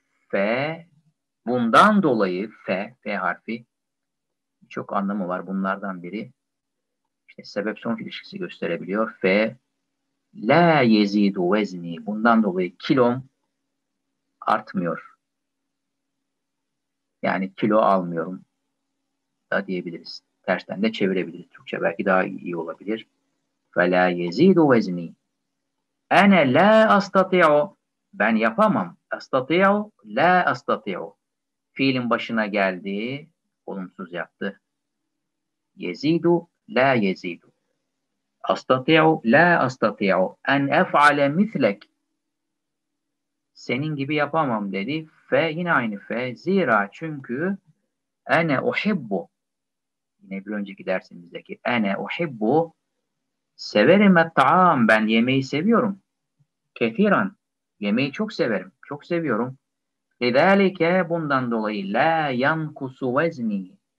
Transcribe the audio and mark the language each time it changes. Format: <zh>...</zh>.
<tr>Fe, bundan dolayı fe, fe harfi, çok anlamı var bunlardan biri, işte sebep sonuç ilişkisi gösterebiliyor. Fe,</tr> <ar>la yezidu vezni,</ar> <tr>bundan dolayı kilom artmıyor. Yani kilo almıyorum da diyebiliriz. Tersten de çevirebiliriz. Türkçe belki daha iyi olabilir.</tr> <ar>فَلَا يَزِيدُ وَزْنِي اَنَا لَا أَسْتَطِعُ</ar> <tr>Ben yapamam.</tr> <ar>أَسْتَطِعُ لَا أَسْتَطِعُ</ar> <tr>Fiilin başına geldi. Olumsuz yaptı.</tr> <ar>يَزِيدُ لَا يَزِيدُ أَسْتَطِعُ لَا أَسْتَطِعُ اَنْ اَفْعَلَ مِثْلَكِ</ar> <tr>Senin gibi yapamam dedi. Fe, yine aynı fe. Zira çünkü</tr> <ar>ene uhibbu.</ar> <tr>Yine bir önceki dersimizdeki</tr> <ar>ene uhibbu.</ar> <tr>Severim et-ta'am. Ben yemeği seviyorum. Kethiran. Yemeği çok severim. Çok seviyorum. Lidâlike, bundan dolayı</tr> <ar>la yankusu vezni.</ar>